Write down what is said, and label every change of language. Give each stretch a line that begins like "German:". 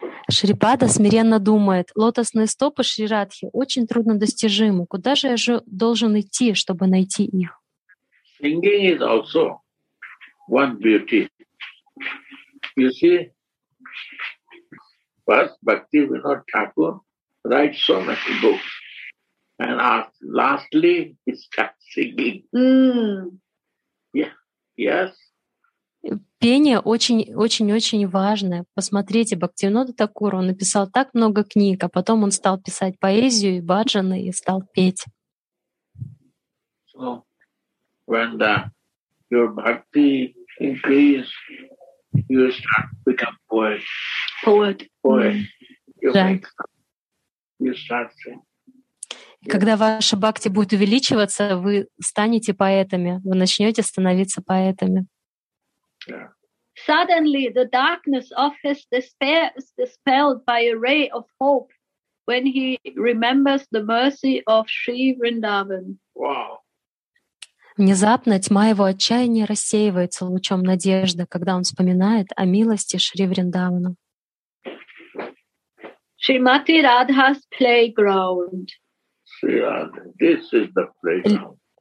Russian: Shri Pada смиренно думает: лотосные стопы Шри Радхи очень трудно достижимы. Куда же я же должен идти, чтобы найти их?
English: Singing is also one beauty. You see, first Bhaktivinoda Thakur writes so many books. And lastly, he starts singing. Mm. Yeah. Yes.
Russian: Пение очень-очень-очень важное. Посмотрите, Бхактивинода Такура, он написал так много книг, а потом он стал писать поэзию и баджаны и стал петь.
English: So, when your bhakti increase, you start to become poet. Poet. Poet. You start saying. Yes.
Russian: Когда ваша бхакти будет увеличиваться, вы станете поэтами. Вы начнете становиться поэтами. Yeah.
English: Suddenly the darkness of his despair is dispelled by a ray of hope when he remembers the mercy of Sri Vrindavan. Wow.
Russian: Внезапно тьма его отчаяния рассеивается лучом надежды, когда он вспоминает о милости Шри Вриндавана.
English: Шримати Радха's playground. This is the playground.